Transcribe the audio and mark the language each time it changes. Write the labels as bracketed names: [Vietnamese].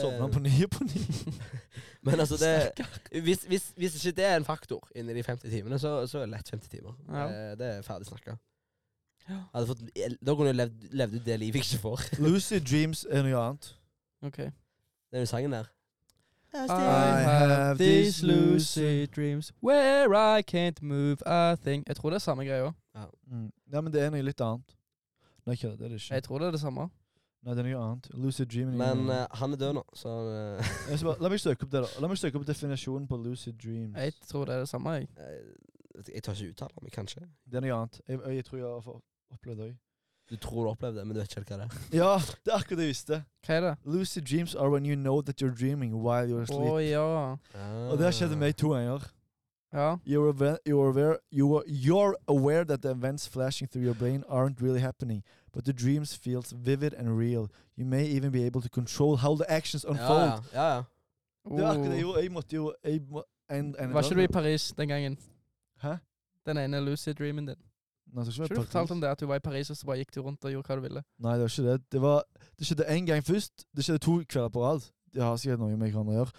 [Norwegian] Sovner på nye på nye. Men altså, det, hvis ikke det er en faktor inni de 50 timene, så er det lett 50 timer. Ja. Det er ferdig snakket. Ja. Da kunne du levd ut det livet jeg ikke får. Lucid Dreams er noe annet. Ok. Det er jo sangen der. [English] I have these lucid dreams where I can't move a thing. [Norwegian] Jeg tror det er samme greie også. Ja, ja, men det er noe litt annet. Nei, ikke det, det er det ikke. Jeg tror det er det samme. Nei, det er noe annet. Lucid dreaming. Men han er død nå, så... La meg søke opp det da. La meg søke opp definisjonen på lucid dreams. Jeg tror det er det samme, jeg tar ikke uttale om det, kanskje. Det er noe annet. Jeg tror jeg har opplevd det også. Du tror du opplevde det, men du vet ikke hva det er. Ja, det er akkurat det jeg visste. Hva er det? [English] Lucid dreams are when you know that you're dreaming while you're asleep. [Norwegian] Å, ja. Og det har skjedd meg 2 ganger. Ja. [English] You're aware that the events flashing through your brain aren't really happening, but the dreams feels vivid and real. You may even be able to control how the actions unfold. [Norwegian] Ja, ja. Det er akkurat det jeg måtte jo... Jeg var ikke du i Paris den gangen? Hæ? Den ene lucid dreamen din. Nei, skal du fortalte om det at du var i Paris og så bare gikk du rundt og gjorde hva du ville? Nei, det var ikke det. Det skjedde en gang først. Det skjedde 2 kvelder på rad. Det har sikkert noe med hverandre å gjøre.